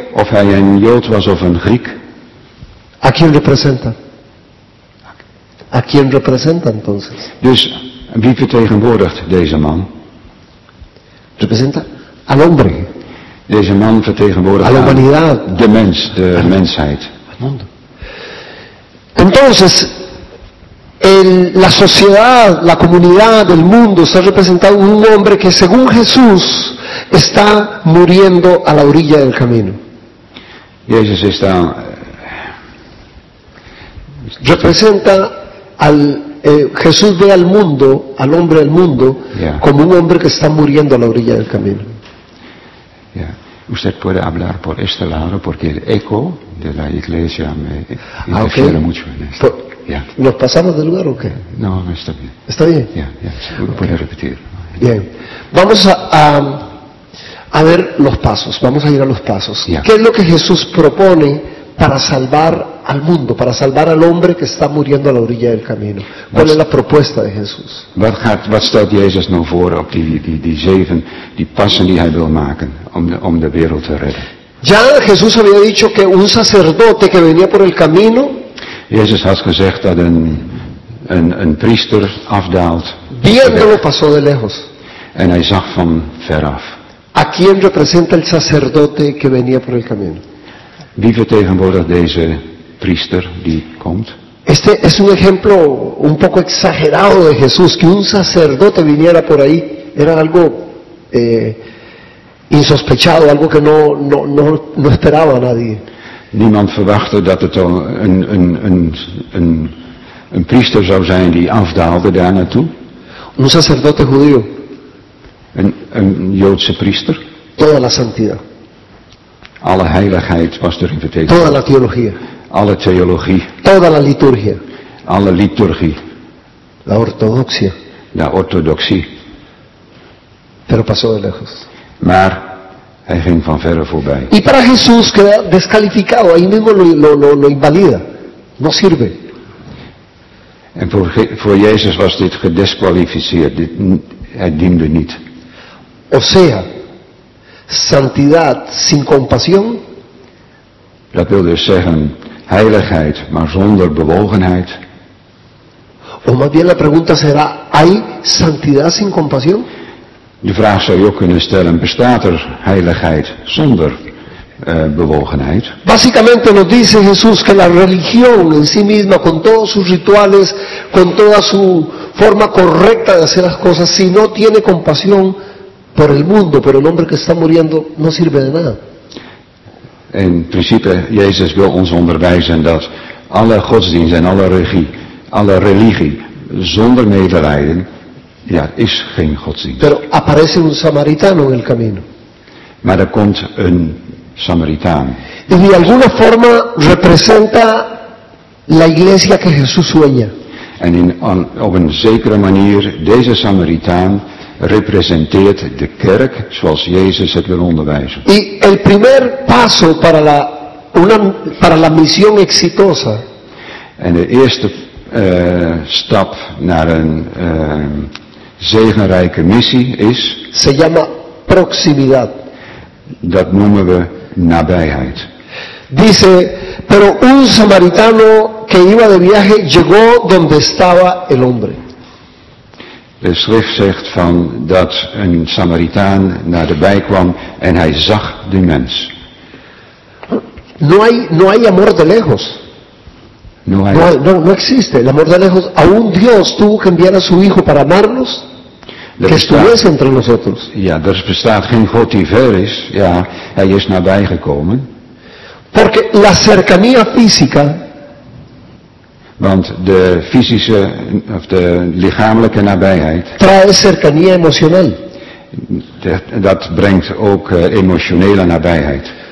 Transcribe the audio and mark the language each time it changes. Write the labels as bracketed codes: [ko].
[nl] Of hij een Jood was of een Griek? [es] A quien representa? A quien representa entonces? [nl] Dus wie vertegenwoordigt deze man? [es] Representa al hombre. [nl] Deze man vertegenwoordigt [es] a la humanidad. [nl] De mens, de mensheid. [es] Al mundo. Entonces, la sociedad, la comunidad del mundo está representado un hombre que según Jesús está muriendo a la orilla del camino. Jesús está representa al Jesús ve al mundo, al hombre del mundo, yeah, como un hombre que está muriendo a la orilla del camino. Yeah. Usted puede hablar por este lado porque el eco de la iglesia me interfiere, okay, mucho en esto. Yeah. ¿Nos pasamos de lugar o qué? No, está bien. ¿Está bien? Ya, yeah, yeah. Puede repetir. Bien. Vamos a ver los pasos. Vamos a ir a los pasos. Yeah. ¿Qué es lo que Jesús propone para salvar al mundo, para salvar al hombre que está muriendo a la orilla del camino? ¿Cuál es la propuesta de Jesús? [nl] Wat stelt Jezus nou voor op die passen die hij wil maken om de wereld te redden? [es] Ya Jesús había dicho que un sacerdote que venía por el camino. [nl] Jezus had gezegd dat een priester afdaalt. [es] Viéndolo pasó de lejos. [nl] En hij zag van ver af. [es] ¿A quién representa el sacerdote que venía por el camino? [nl] Wie vertegenwoordigt deze priester die komt? [es] Este es un ejemplo un poco exagerado de Jesús, que un sacerdote viniera por ahí era algo insospechado, algo que no esperaba nadie. [nl] Niemand verwachtte dat het een priester zou zijn die afdaalde daar naartoe. [es] Un sacerdote judío. [nl] Een Joodse priester. [es] Toda la santidad. [nl] Alle heiligheid was erin vertegenwoordigd. [es] Toda la teología. [nl] Alle theologie. [es] Toda la liturgia. [nl] Alle liturgie. [es] La ortodoxia. [nl] La orthodoxie. [es] Pero pasó de lejos. [nl] Maar hij ging van verre voorbij. [es] Y para Jesús queda descalificado, ahí mismo lo invalida. No sirve. [nl] En voor Jezus was dit gedesqualificeerd. Hij diende niet. [es] O sea, santidad sin compasión. [nl] Dat wil dus zeggen, heiligheid, maar zonder bewogenheid. [es] O más bien la pregunta será, ¿hay santidad sin compasión? [nl] De vraag zou je ook kunnen stellen, bestaat er heiligheid zonder bewogenheid? [es] Básicamente nos dice Jesús que la religión en sí misma, con todos sus rituales, con toda su forma correcta de hacer las cosas, si no tiene compasión por el mundo, por el hombre que está muriendo, no sirve de nada. [nl] En principe, Jezus wil ons onderwijzen dat alle godsdienst en alle religie zonder medelijden, ja, is geen godsdienst. [es] Pero aparece un samaritano en el camino. [nl] Maar er komt een Samaritaan. [es] Y de alguna forma representa La iglesia que Jesús sueña. [nl] En in, op een zekere manier, deze Samaritaan representeert de kerk zoals Jezus het wil onderwijzen. [es] Y el primer paso para la, una, para la misión exitosa. [nl] En de eerste stap naar een zegenrijke missie is. [es] Se llama proximidad. [nl] Dat noemen we nabijheid. [es] Dice, pero un samaritano que iba de viaje llegó donde estaba el hombre. [nl] De schrift zegt van dat een Samaritaan naar de bij kwam en hij zag de mens. [es] No hay amor de lejos. No existe el amor de lejos. Aún Dios tuvo que enviar a su hijo para amarnos. [nl] Ja, er bestaat geen God die ver is. Ja, hij is nabij gekomen. [es] Porque la cercanía física, [nl] want de fysische of de lichamelijke nabijheid [es] trae cercanía emocional. [nl] Dat brengt ook emotionele nabijheid.